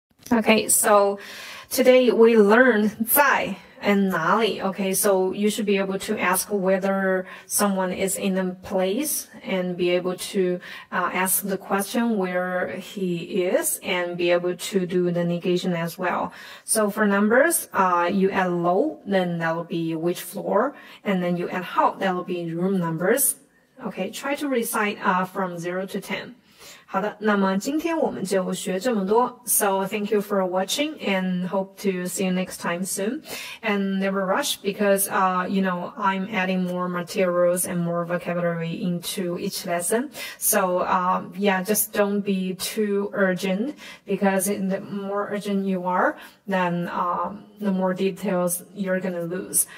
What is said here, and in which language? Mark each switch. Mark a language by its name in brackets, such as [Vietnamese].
[English] Okay, so today we learned 在 and 哪里 Okay, so you should be able to ask whether someone is in a place and be able to ask the question where he is and be able to do the negation as well. So for numbers, you add low, then that'll be which floor, and then you add how, that'll be room numbers. Okay, try to recite from 0 to 10. [Chinese] 好的，那么今天我们就学这么多。 [English] So thank you for watching and hope to see you next time soon. And never rush because, you know, I'm adding more materials and more vocabulary into each lesson. So, yeah, just don't be too urgent because the more urgent you are, then, the more details you're gonna lose.